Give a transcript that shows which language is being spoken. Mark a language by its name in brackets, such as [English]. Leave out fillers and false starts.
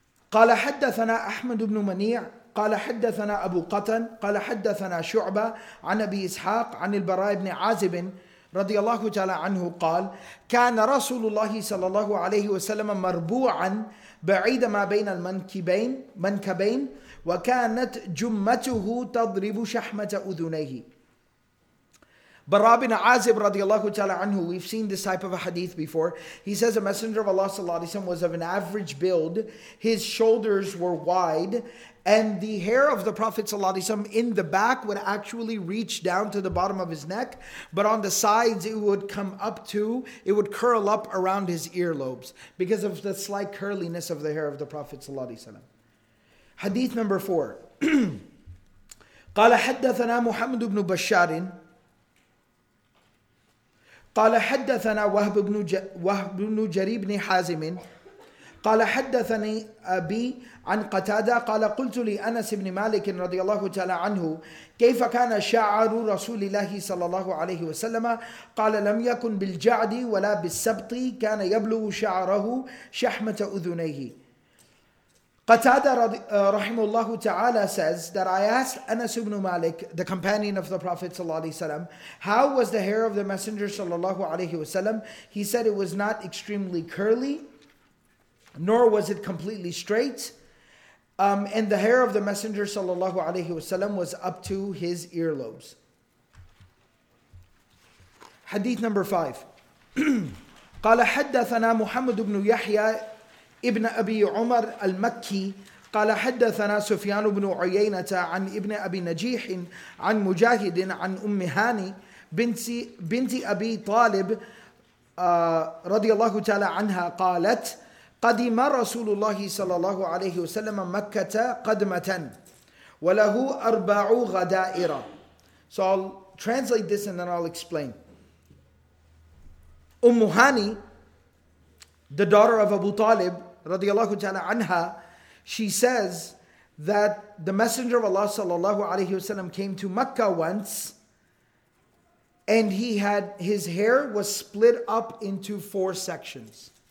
[Arabic] قال حدثنا أحمد بن منيع قال حدثنا أبو قتن قال حدثنا شعبة عن أبي إسحاق عن البراء بن عازب رضي الله تعالى عنه قال كان رسول الله صلى الله عليه وسلم مربوعا بعيد ما بين المنكبين وكانت جمته تضرب شحمة أذنيه. [English] Barab bin Azib radiallahu ta'ala anhu, we've seen this type of a hadith before. He says a messenger of Allah sallallahu alayhi wa sallam was of an average build. His shoulders were wide and the hair of the Prophet sallallahu alayhi wa sallam in the back would actually reach down to the bottom of his neck. But on the sides it would come up to, it would curl up around his earlobes because of the slight curliness of the hair of the Prophet sallallahu alayhi wa sallam. Hadith number 4. [Arabic] قال حدثنا محمد بن بشار قال حدثنا وهب بن جرير بن حازم قال حدثني أبي عن قتادة قال قلت لأنس بن مالك رضي الله تعالى عنه كيف كان شعر رسول الله صلى الله عليه وسلم قال لم يكن بالجعد ولا بالسبط كان يبلغ شعره شحمة أذنيه. [English] Qatada rahimullah ta'ala says that I asked Anas ibn Malik, the companion of the Prophet sallallahu alaihi wasallam, how was the hair of the Messenger sallallahu alaihi wasallam? He said it was not extremely curly, nor was it completely straight. And the hair of the Messenger sallallahu alayhi wasallam was up to his earlobes. Hadith number 5. [Arabic] قال حدثنا محمد بن يحيى ابن أبي عمر المكي قال حدثنا سفيان بن عيينة عن ابن أبي نجيح عن مجاهد عن أم هاني بنت أبي طالب رضي الله تعالى عنها قالت قدم رسول الله صلى الله عليه وسلم مكة قدمة وله أربع غدائر. [English] So I'll translate this and then I'll explain. Umm Hani, the daughter of Abu Talib radiyallahu ta'ala anha, she says that the Messenger of Allah sallallahu alayhi wa sallam came to Mecca once and he had his hair was split up into four sections.